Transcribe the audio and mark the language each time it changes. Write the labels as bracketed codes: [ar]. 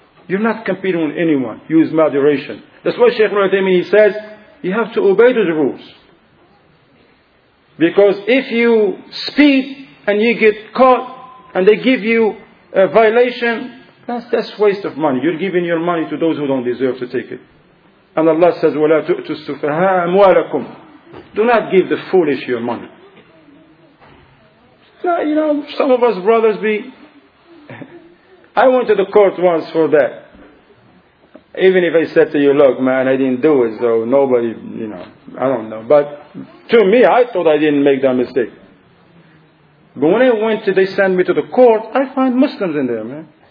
[en] You're not competing with anyone. You use moderation. That's why Shaykh Al-Uthaymeen, he says, you have to obey to the rules. Because if you speed and you get caught and they give you a violation, that's waste of money. You're giving your money to those who don't deserve to take it. [ar] And Allah says, وَلَا تُؤْتُوا السُّفَهَاءَ أَمْوَالَكُمْ. [en] Do not give the foolish your money. Now, you know, some of us brothers be... I went to the court once for that. Even if I said to you, look, man, I didn't do it, so nobody, you know, I don't know. But to me, I thought I didn't make that mistake. But when I went to, they sent me to the court, I find Muslims in there, man.